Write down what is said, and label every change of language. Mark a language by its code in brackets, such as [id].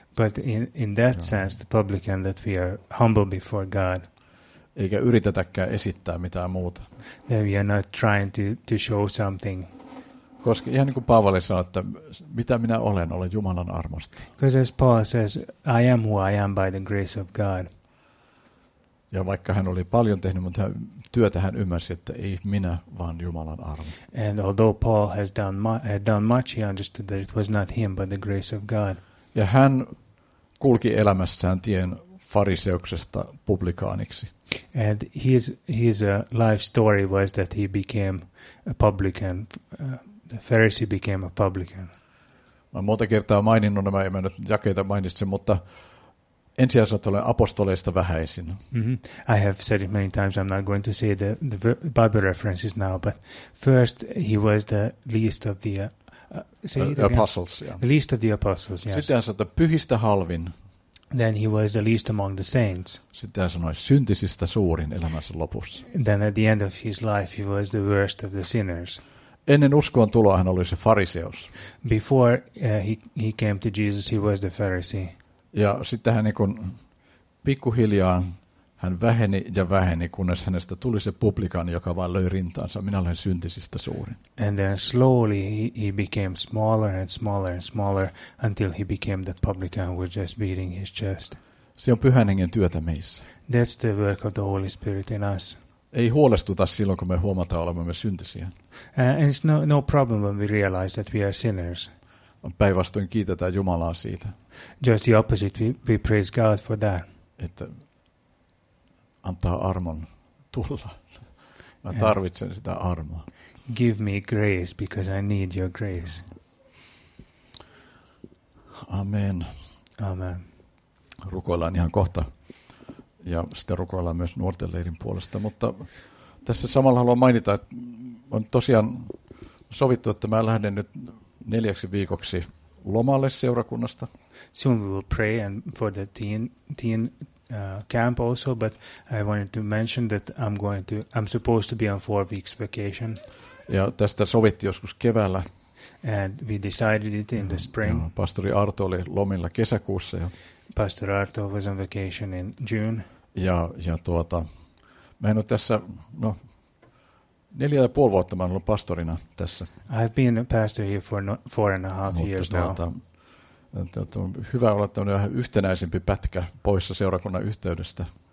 [en] But in that sense, the publican, that we are humble before God. [fi] Eikä yritetäkään esittää mitään muuta. [en] That we are not trying to show something. [fi] Koska ihan niin kuin Paavali sanoi, että mitä minä olen Jumalan armosta. [en] Because as Paul says, I am who I am by the grace of God. [fi] Ja vaikka hän oli paljon tehnyt, mutta työtä hän ymmärsi, että ei minä, vaan Jumalan armo. [en] And although Paul has done much, he understood that it was not him, but the grace of God. [fi] Ja hän kulki elämässään tien fariseuksesta publikaaniksi. [en] And his life story was that he became a publican. The Pharisee became a publican. [fi] Mä monta kertaa maininnut nämä, en mä nyt jakeita mainitsen, mutta ensisijaisesti olen apostoleista vähäisin. Mm-hmm. [en] I have said it many times, I'm not going to say the Bible references now, but first he was the least of the apostles. Yeah. The least of the apostles, yes. [fi] Sitten hän sanoi, että pyhistä halvin. [en] Then he was the least among the saints. [fi] Sitten hän sanoi, syntisistä suurin elämänsä lopussa. [en] Then at the end of his life he was the worst of the sinners. [fi] Ennen uskoon tuloa hän oli se fariseus. [en] Before he came to Jesus, he was the Pharisee. [fi] Ja sitten hän niin kuin pikkuhiljaa hän väheni ja väheni, kunnes hänestä tuli se publikaani, joka vain löi rintaansa. Minä olen syntisistä suurin. [en] And then slowly he became smaller and smaller and smaller until he became that publican who was just beating his chest. [fi] Se on Pyhän Hengen työtä meissä. [en] That's the work of the Holy Spirit in us. [fi] Ei huolestuta silloin, kun me huomataan olemme syntisiä. [en] And it's no problem when we realize that we are sinners. [fi] Päinvastoin kiitetään Jumalaa siitä. [en] Just the opposite, we praise God for that. [fi] Että antaa armon tulla. Mä tarvitsen sitä armoa. [en] Give me grace because I need your grace. [fi] Amen. [en] Amen. [fi] Rukoillaan ihan kohta. Ja sitten rukoillaan myös nuorten leirin puolesta, mutta tässä samalla haluan mainita, että on tosiaan sovittu, että mä lähden nyt 4 viikoksi lomalle seurakunnasta. [en] Soon we will pray and for the teen camp also, but I wanted to mention that I'm supposed to be on 4 weeks vacation. [fi] Ja tästä sovittiin joskus keväällä. [en] And we decided it in the spring. [fi] Ja pastori Arto oli lomilla kesäkuussa ja [en] Pastor Arto was on vacation in June. [fi] Ja mä en ole tässä, 4.5 vuotta mä oon ollut pastorina tässä. [en] I've been a pastor here for 4.5 years now. [fi] Mutta on hyvä olla tämmöinen vähän yhtenäisempi pätkä poissa seurakunnan yhteydestä.